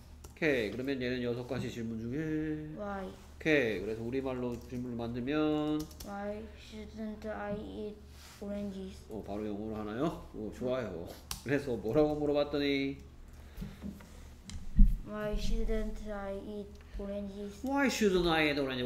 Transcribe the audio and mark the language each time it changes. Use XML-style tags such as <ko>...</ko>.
<ko>오케이, 그러면 얘는 여섯 가지 질문 중에</ko> <en>Why?</en> <ko>오케이, 그래서 우리말로 질문을 만들면</ko> <en>Why shouldn't I eat oranges?</en> <ko>바로 영어로 하나요? 좋아요. 그래서 뭐라고 물어봤더니</ko> <en>Why shouldn't I eat oranges? Why shouldn't I eat oranges?</en>